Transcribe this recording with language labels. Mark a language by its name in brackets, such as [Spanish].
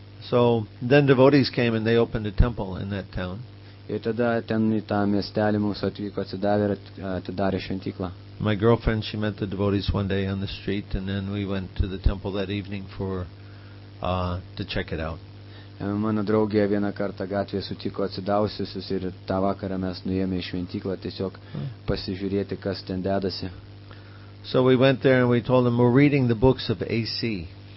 [English] So then devotees came and they opened a temple in that town. [Lithuanian] Ir tada ten į tą miestelį mums atvyko, atsidavė ir atidarė šventyklą. [English] My girlfriend, she met the devotees one day on the street, and then we went to the temple that evening to check it out. [Lithuanian] Mano draugė vieną kartą gatvėje sutiko atsidavusius ir tą vakarą mes nuėjome į šventyklą tiesiog pasižiūrėti, kas ten dedasi. [English] So we went there and we told them, "We're reading the books of AC."